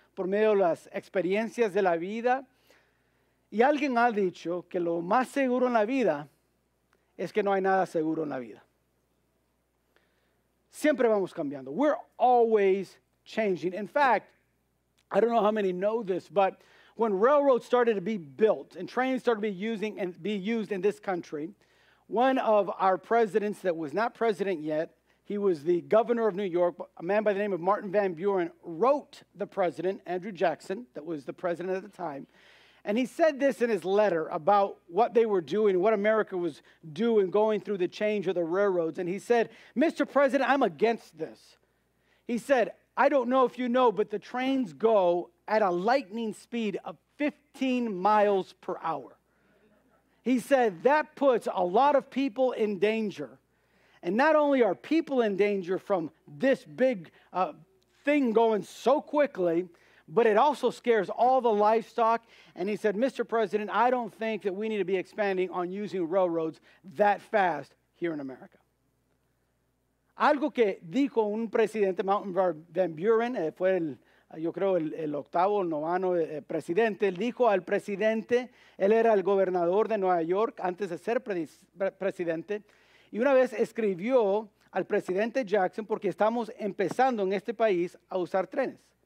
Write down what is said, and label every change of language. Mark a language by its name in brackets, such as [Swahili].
[Spanish] por medio de las experiencias de la vida. Y alguien ha dicho que lo más seguro en la vida es que no hay nada seguro en la vida. Siempre vamos cambiando. [English] We're always changing. In fact, I don't know how many know this, but when railroads started to be built and trains started to be using and be used in this country, one of our presidents that was not president yet, he was the governor of New York, a man by the name of Martin Van Buren, wrote the president, Andrew Jackson, that was the president at the time, and he said this in his letter about what they were doing, what America was doing, going through the change of the railroads. And he said, "Mr. President, I'm against this." He said, "I don't know if you know, but the trains go at a lightning speed of 15 miles per hour." He said, "That puts a lot of people in danger. And not only are people in danger from this big thing going so quickly, but it also scares all the livestock." And he said, "Mr. President, I don't think that we need to be expanding on using railroads that fast here in America." [Spanish] Algo que dijo un presidente, Martin Van Buren, fue el, yo creo, el octavo o noveno presidente, dijo al presidente, él era el gobernador de Nueva York antes de ser presidente, y una vez escribió al presidente Jackson, porque estamos empezando en este país a usar trenes.